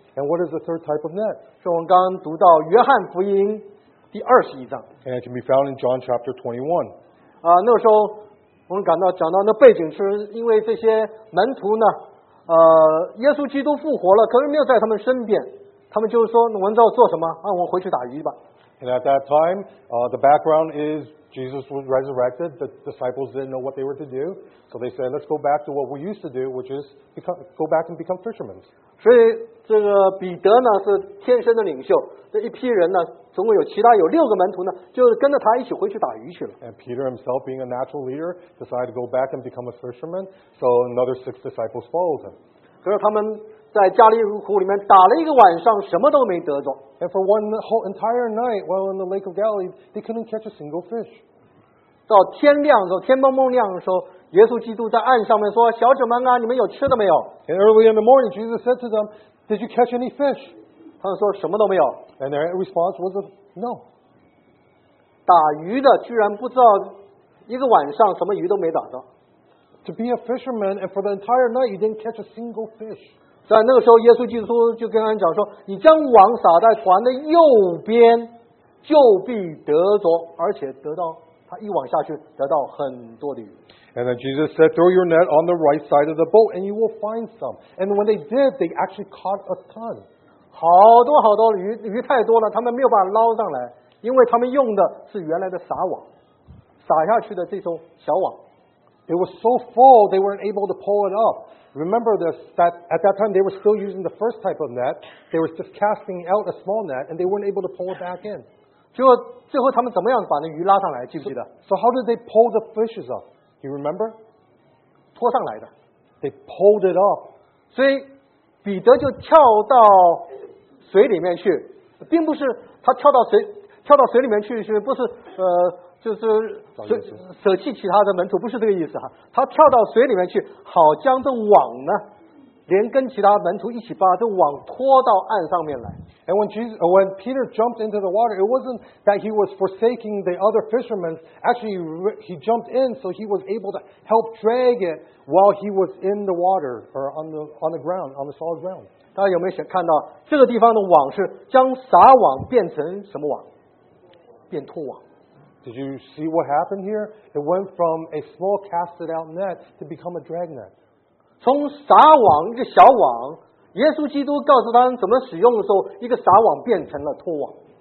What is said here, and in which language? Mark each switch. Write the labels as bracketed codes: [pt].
[en] And what is the third type of net? [zh] 是我们刚刚读到约翰福音第21章。 [en] And it can be found in John chapter 21. [zh] 那个时候我们讲到那背景是因为这些门徒呢，耶稣基督复活了，可是没有在他们身边，他们就是说，我们知道做什么？我们回去打鱼吧。 [en] And at that time, the background is Jesus was resurrected. The disciples didn't know what they were to do. So they said, let's go back to what we used to do, which is go back and become fishermen. [zh] 所以这个彼得呢是天生的领袖，这一批人呢，总共有其他有六个门徒呢，就跟着他一起回去打鱼去了。 [en] And Peter himself, being a natural leader, decided to go back and become a fisherman. So another six disciples followed him. [zh] 可是他们在加利利湖里面打了一个晚上，什么都没得着。 [en] And for one whole entire night, while in the Lake of Galilee, they couldn't catch a single fish. [zh] 到天亮的时候，天蒙蒙亮的时候，耶稣基督在岸上面说：“小子们啊，你们有吃的没有 [en] ？”And early in the morning, Jesus said to them, "Did you catch any fish?" [zh] 他们说什么都没有。 [en] And their response was, "No." [zh] 打鱼的居然不知道一个晚上什么鱼都没打着。 [en] To be a fisherman, and for the entire night, you didn't catch a single fish. [zh] 在那个时候，耶稣基督就跟他们讲说：“你将网撒在船的右边，就必得着，而且得到他一网下去，得到很多的鱼。” [en] And then Jesus said, "Throw your net on the right side of the boat, and you will find some." And when they did, they actually caught a ton. [zh] 好多好多鱼太多了，他们没有把它捞上来，因为他们用的是原来的撒网，撒下去的这艘小网。 [en] It was so full they weren't able to pull it up. Remember this, that at that time they were still using the first type of net. They were just casting out a small net and they weren't able to pull it back in. [zh] 最后他们怎么样把那鱼拉上来记不记得 [en] So how did they pull the fishes up? Do you remember? [zh] 拖上来的 [en] They pulled it up. [zh] 所以彼得就跳到水里面去，并不是他跳到水里面去，是不是就是舍弃其他的门徒，不是这个意思哈。他跳到水里面去，好将这网呢，连跟其他门徒一起把这网拖到岸上面来。 [en] And when Peter jumped into the water, it wasn't that he was forsaking the other fishermen. Actually, he jumped in so he was able to help drag it while he was in the water or on the ground, on the solid ground. [zh] 大家有没有想看到这个地方的网是将撒网变成什么网？变拖网。 [en] Did you see what happened here? It went from a small casted out net to become a dragnet. [zh] 从撒网一个小网，耶稣基督告诉他们怎么使用的时候，一个撒网变成了拖网。